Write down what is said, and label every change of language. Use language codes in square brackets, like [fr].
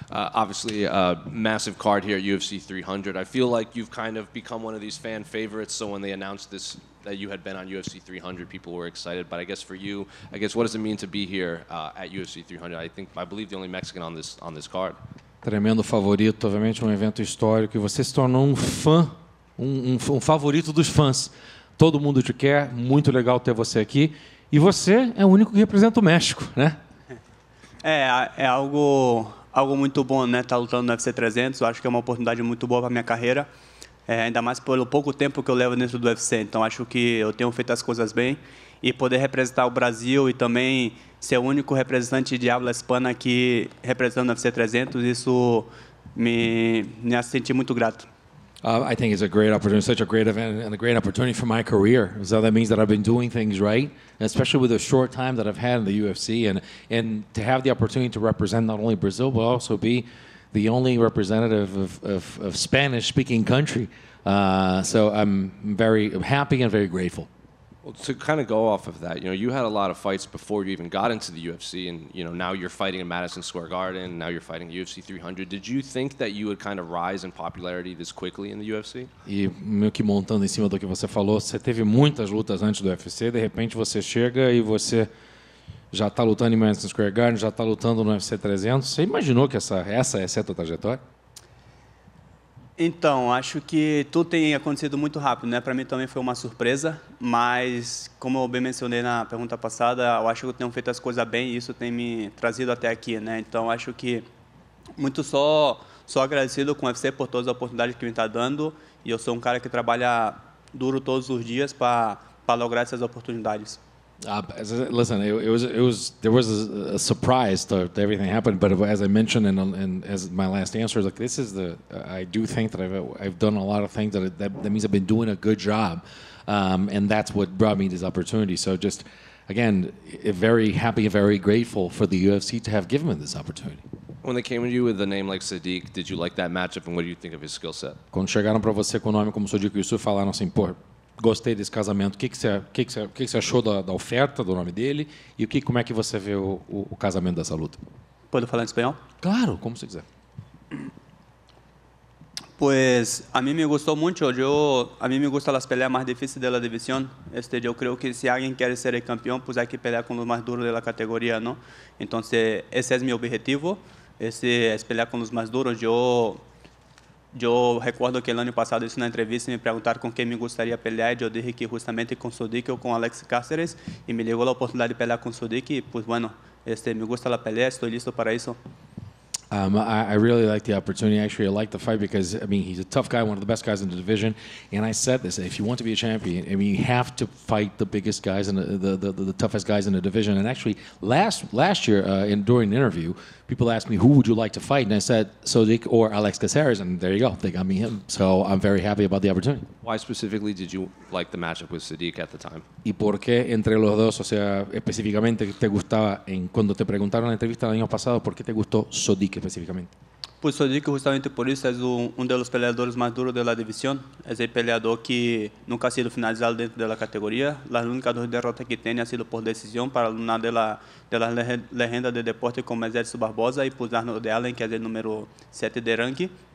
[en] Obviously, a massive card here at UFC 300. I feel like you've kind of become one of these fan favorites, so when they announced this, that you had been on UFC 300, people were excited. But I guess for you, I guess what does it mean to be here at UFC 300? I think, I believe the only Mexican on this card. [pt] Tremendo favorito, obviamente um evento histórico, e você se tornou um fã, um favorito dos fãs. Todo mundo te quer, muito legal ter você aqui. E você é o único que representa o México, né? É algo muito bom, né? Tá lutando no UFC 300, acho que é uma oportunidade muito boa para minha carreira. Ainda mais pelo pouco tempo que eu levo dentro do UFC. Então, acho que eu tenho feito as coisas bem. E poder representar o Brasil e também ser o único representante de [es] habla hispana [pt] aqui representando o UFC 300, isso me senti muito grato. [en] I think it's a great opportunity, such a great event, and a great opportunity for my career. So that means that I've been doing things right, especially with the short time that I've had in the UFC. And to have the opportunity to represent not only Brazil, but also be the only representative of Spanish-speaking country. So I'm very happy and very grateful. Well, to kind of go off of that, you know, you had a lot of fights before you even got into the UFC, and you know, now you're fighting in Madison Square Garden, now you're fighting UFC 300. Did you think that you would kind of rise in popularity this quickly in the UFC? [pt] E meio que montando em cima do que você falou, você teve muitas lutas antes do UFC, de repente você chega e você já está lutando em Madison Square Garden, já está lutando no UFC 300. Você imaginou que essa é a sua trajetória? Então, acho que tudo tem acontecido muito rápido, né? Para mim também foi uma surpresa, mas como eu bem mencionei na pergunta passada, eu acho que eu tenho feito as coisas bem e isso tem me trazido até aqui, né? Então, acho que muito só agradecido com o UFC por todas as oportunidades que me está dando e eu sou um cara que trabalha duro todos os dias para lograr essas oportunidades. [en] Listen, there was a surprise to everything happened, but as I mentioned and as my last answer, like this is the I do think that I've done a lot of things that means I've been doing a good job, and that's what brought me this opportunity. So just again, very happy and very grateful for the UFC to have given me this opportunity. When they came to you with a name like Sodiq, did you like that matchup and what do you think of his skill set? [pt] Quando chegaram para você com nome como Sodiq Yusuff, falaram assim, pô, gostei desse casamento. O que você achou da oferta do nome dele? E o que, como é que você vê o casamento dessa luta? Pode falar em espanhol? Claro, como você quiser. [es] Pues, [pt] a mim me gustou muito. A mim [es] me gusta las peleas más difíciles de la división. Eu creo que si alguien quiere ser el campeón, pues hay que pelear con los más duros de la categoría, ¿no? Entonces, ese es mi objetivo. Ese es pelear con los más duros. Yo recuerdo que el año pasado hice una entrevista y me preguntaron con quién me gustaría pelear. Yo dije que justamente con Sodiq o con Alex Cáceres. Y me llegó la oportunidad de pelear con Sodiq. Y pues bueno, me gusta la pelea, estoy listo para eso. [en] I really like the opportunity. Actually, I like the fight because, I mean, he's a tough guy, one of the best guys in the division. And I said this, if you want to be a champion, I mean, you have to fight the biggest guys and the toughest guys in the division. And actually, last year, during an interview, people asked me, who would you like to fight? And I said, Sodiq or Alex Caceres. And there you go, they got me him. So I'm very happy about the opportunity. Why specifically did you like the matchup with Sodiq at the time? [es] ¿Y por qué entre los dos, o sea, específicamente te gustaba, cuando te preguntaron en la entrevista el año pasado, por qué te gustó Sodiq? Pues Sodiq justamente por eso es uno de los peleadores más duros de la división. Es el peleador que nunca ha sido finalizado dentro de la categoría. Las únicas dos derrotas que tiene ha sido por decisión para una de las leyendas de deporte como es Edson Barbosa y pues Arnold Allen, que es el número 7 de ranking.